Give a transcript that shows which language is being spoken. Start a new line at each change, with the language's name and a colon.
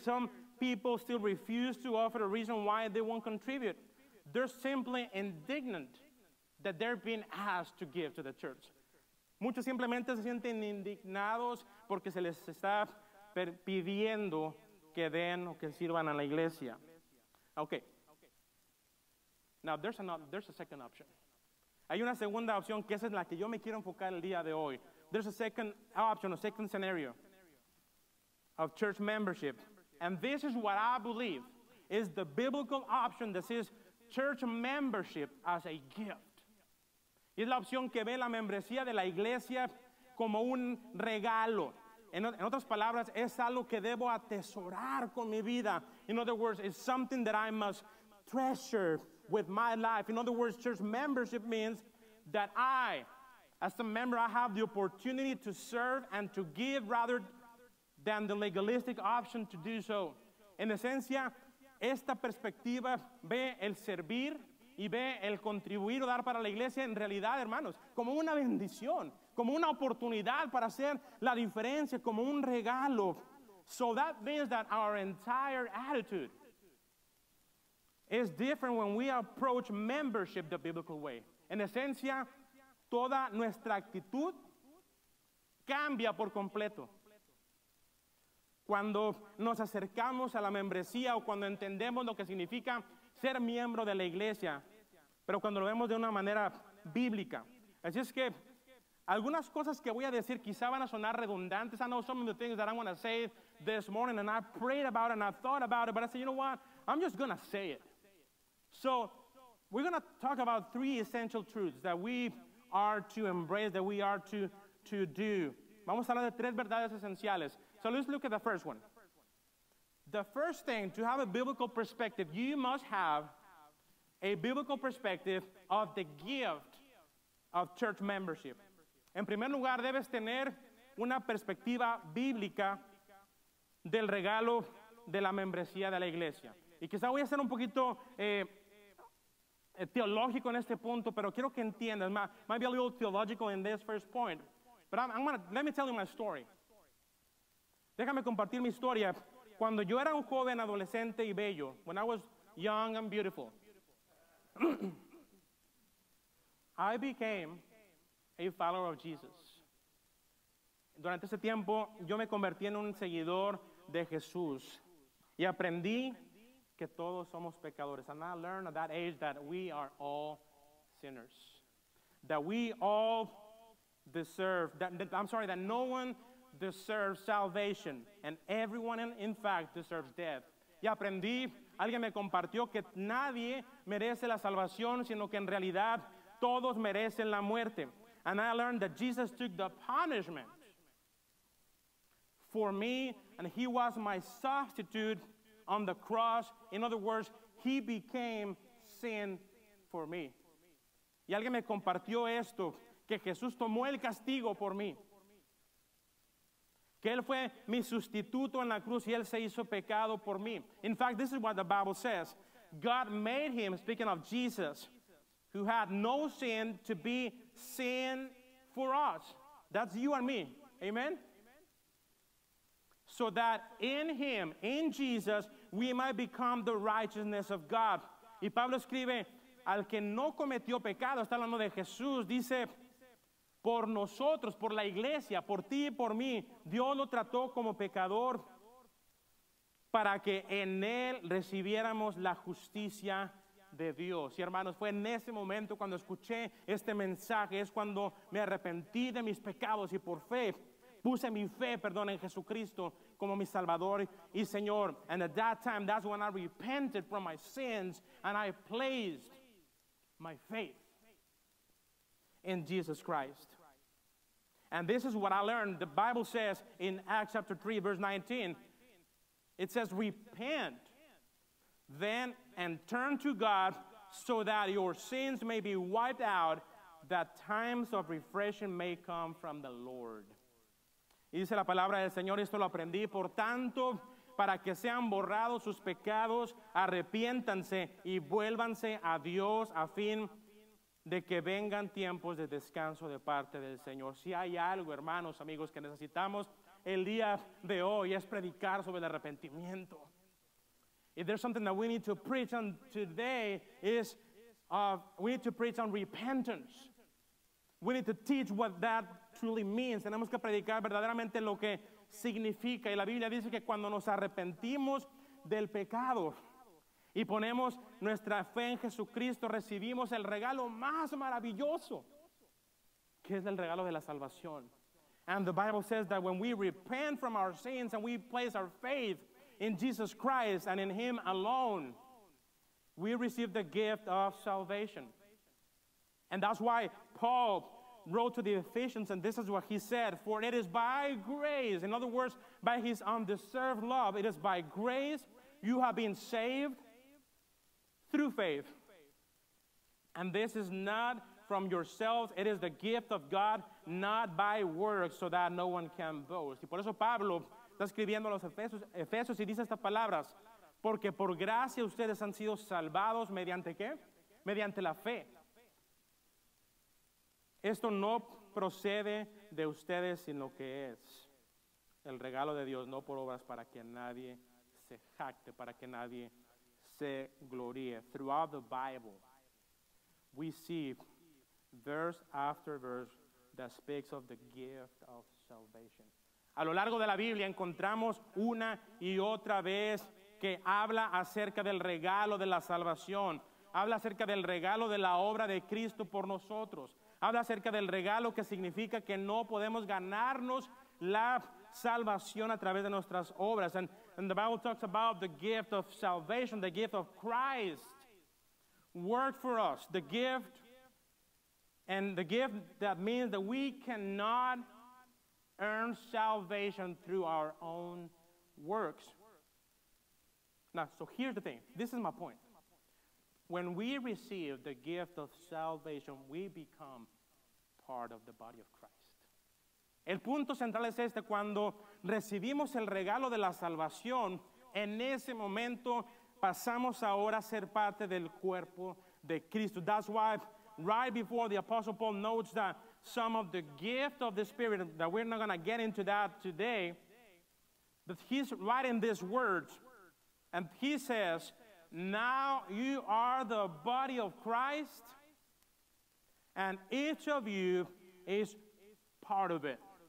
English: Some people still refuse to offer a reason why they won't contribute. They're simply indignant that they're being asked to give to the church.
Spanish: Muchos simplemente se sienten indignados porque se les está pidiendo que den o que sirvan a la iglesia.
English: Okay. Now there's a second option.
Spanish: Hay una segunda opción que esa es la que yo me quiero enfocar el día de hoy.
English: There's a second option, a second scenario of church membership. And this is what I believe is the biblical option that says church membership as a gift.
Spanish: Y es la opción que ve la membresía de la iglesia como un regalo. En otras palabras, es algo que debo atesorar con mi vida.
English: In other words, it's something that I must treasure with my life. In other words, church membership means that I, as a member, I have the opportunity to serve and to give rather than the legalistic option to do so.
Spanish: En esencia, esta perspectiva ve el servir y ve el contribuir o dar para la iglesia en realidad, hermanos, como una bendición, como una oportunidad para hacer la diferencia, como un regalo.
English: So that means that our entire attitude is different when we approach membership the biblical way.
Spanish: En esencia, toda nuestra actitud cambia por completo cuando nos acercamos a la membresía o cuando entendemos lo que significa ser miembro de la iglesia, pero cuando lo vemos de una manera bíblica. Así es que algunas cosas que voy a decir quizá van a sonar redundantes.
English: I know some of the things that I'm going to say this morning, and I prayed about it and I thought about it, but I said, you know what? I'm just going to say it. So we're going to talk about three essential truths that we are to embrace, that we are to do.
Spanish: Vamos a hablar de tres verdades esenciales.
English: So let's look at the first one. The first thing, to have a biblical perspective, you must have a biblical perspective of the gift of church membership.
Spanish: En primer lugar, debes tener una perspectiva bíblica del regalo de la membresía de la iglesia. Y quizá voy a ser un poquito teológico en este punto, pero quiero que entiendas.
English: Might be a little theological in this first point. But I'm going to, let me tell you my story.
Spanish: Déjame compartir mi historia. Cuando yo era un joven, adolescente y bello,
English: when I was young and beautiful, I became a follower of Jesus.
Spanish: Durante ese tiempo, yo me convertí en un seguidor de Jesús. Y aprendí que todos somos pecadores.
English: And I learned at that age that we are all sinners. That we all deserve, that no one deserves salvation. And everyone, in fact, deserves death. Y aprendí, alguien me compartió que nadie merece la salvación, sino que en realidad todos merecen la muerte. And I learned that Jesus took the punishment for me, and he was my substitute on the cross. In other words, he became sin for me.
Spanish: Y alguien me compartió esto, que Jesús tomó el castigo por mí. Que él fue mi sustituto en la cruz y él se hizo pecado por mí.
English: In fact, this is what the Bible says. God made him, speaking of Jesus, who had no sin, to be sin for us. That's you and me. Amen? So that in him, in Jesus, we might become the righteousness of God.
Spanish: Y Pablo escribe, al que no cometió pecado, está hablando de Jesús, dice, por nosotros, por la iglesia, por ti y por mí, Dios lo trató como pecador para que en él recibiéramos la justicia de Dios. Y hermanos, fue en ese momento cuando escuché este mensaje, es cuando me arrepentí de mis pecados y por fe, puse mi fe, perdón, en Jesucristo como mi Salvador y Señor.
English: And at that time, that's when I repented from my sins and I placed my faith in Jesus Christ. And this is what I learned. The Bible says in Acts chapter 3, verse 19, it says, repent then and turn to God so that your sins may be wiped out, that times of refreshing may come from the Lord.
Spanish: Y dice la palabra del Señor, esto lo aprendí, por tanto, para que sean borrados sus pecados, arrepiéntanse y vuélvanse a Dios a fin de que vengan tiempos de descanso de parte del Señor. Si hay algo, hermanos, amigos, que necesitamos el día de hoy es predicar sobre el arrepentimiento.
English: If there's something that we need to preach on today is we need to preach on repentance. We need to teach what that truly means.
Spanish: Tenemos que predicar verdaderamente lo que significa. Y la Biblia dice que cuando nos arrepentimos del pecado y ponemos nuestra fe en Jesucristo, recibimos el regalo más maravilloso, que es el regalo de la salvación.
English: And the Bible says that when we repent from our sins and we place our faith in Jesus Christ and in Him alone, we receive the gift of salvation. And that's why Paul wrote to the Ephesians, and this is what he said: for it is by grace, in other words, by His undeserved love, it is by grace you have been saved through faith. And this is not from yourselves, it is the gift of God, not by works, so that no one can boast.
Spanish: Y por eso Pablo está escribiendo a los Efesios y dice estas palabras: porque por gracia ustedes han sido salvados, ¿mediante qué? Mediante la fe. Esto no procede de ustedes, sino que es el regalo de Dios, no por obras, para que nadie se jacte, para que nadie se gloríe.
English: Throughout the Bible, we see verse after verse that speaks of the gift of salvation.
Spanish: A lo largo de la Biblia encontramos una y otra vez que habla acerca del regalo de la salvación. Habla acerca del regalo de la obra de Cristo por nosotros. Habla acerca del regalo, que significa que no podemos ganarnos la salvación a través de nuestras obras.
English: And the Bible talks about the gift of salvation, the gift of Christ worked for us, the gift, and the gift that means that we cannot earn salvation through our own works. Now, so here's the thing. This is my point. When we receive the gift of salvation, we become part of the body of Christ.
Spanish: El punto central es este: cuando recibimos el regalo de la salvación, en ese momento pasamos ahora a ser parte del cuerpo de Cristo.
English: That's why right before the Apostle Paul notes that some of the gift of the Spirit, that we're not going to get into that today, but he's writing these words, and he says, now you are the body of Christ, and each of you is part of it.